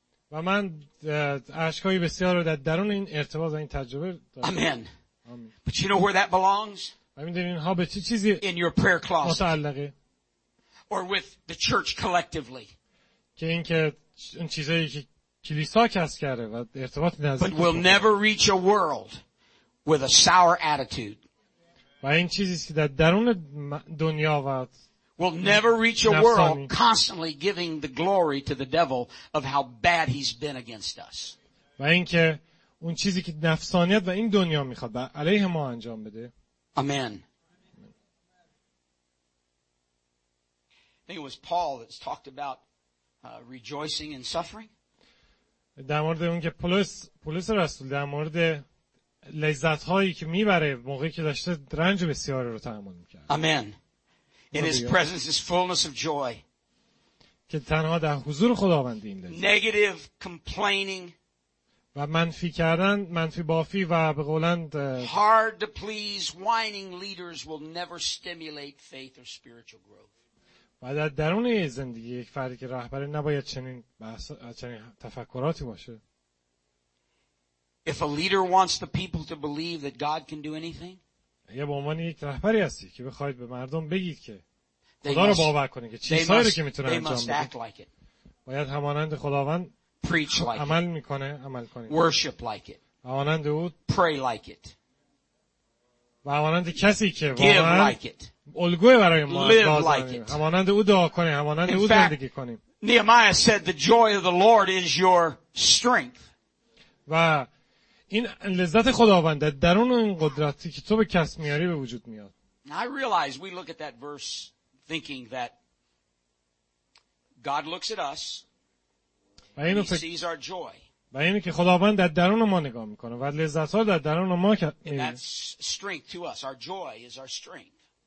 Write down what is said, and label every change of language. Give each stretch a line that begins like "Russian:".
Persian: و من اشکایی بسیار رو در درون این ارتباط و این تجربه دارم.
English: Amen. But you know where that belongs?
Persian: اینها به چه چیزی
English: in your prayer closet.
Persian: متعلقه.
English: Or with the church collectively.
Persian: که این که اون چیزایی که کلیسا کس کرده و ارتباط نزدیک
English: But we'll never reach a world with a sour attitude.
Persian: و این چیزی است که در درون دنیا و
English: We'll never reach a world constantly giving the glory to the devil of how bad he's been against us.
Persian: و اینکه اون چیزی که نفسانیت و این دنیا میخواد بر علیه ما انجام بده.
English: Amen. I think it was Paul that's talked about rejoicing in suffering.
Persian: در مورد اون که پولس رسول در مورد لذت هایی که میبره موقعی که داشته رنج بسیار رو تحمل میکرد.
English: Amen. In his presence is fullness of joy.
Persian: که تنها در حضور خداوند این لذت.
English: Negative complaining.
Persian: و منفی کردن، منفی بافی و به قولند
English: hard to please whining leaders will never stimulate faith or spiritual growth.
Persian: و در درون زندگی یک فردی که رهبر نباید چنین تفکراتی باشه.
English: If a leader wants the people to believe that God can do anything,
Persian: اگه به عنوان یک رهبری هستی که بخواید به مردم بگید که خدا رو باور کنید که چیزهایی که میتونه انجام بده.
English: Like
Persian: باید همانند خداوند
English: preach like
Persian: عمل میکنه، عمل کنید.
English: Worship like it.
Persian: همانند او pray like it. و همانند کسی که واقعا الگوی برای ما لازمه. همانند او دعا کنیم. همانند او زندگی کنیم.
English: Nehemiah said the joy of the Lord is your strength.
Persian: و این لذت خداوند در درون این قدرتی که تو به کس میاری به وجود میاد.
English: I realize we look at that verse thinking that God looks at us and he sees our joy.
Persian: و اینه که خداوند در درون ما نگاه میکنه و لذت ها در درون ما میبینه.
English: And that's strength to us. Our joy is our strength.